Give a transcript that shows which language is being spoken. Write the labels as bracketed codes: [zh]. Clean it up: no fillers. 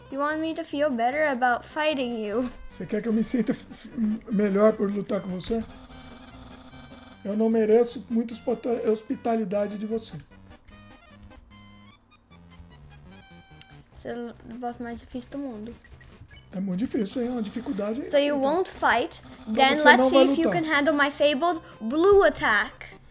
[en] You want me to feel better about fighting you. [pt] Você quer que eu me sinta melhor por lutar com você? Eu não mereço muita hospitalidade de você. Você é o boss mais difícil do mundo. É muito difícil, hein? É uma dificuldade. [en] So you won't fight, then let's see if you can handle my fabled blue attack.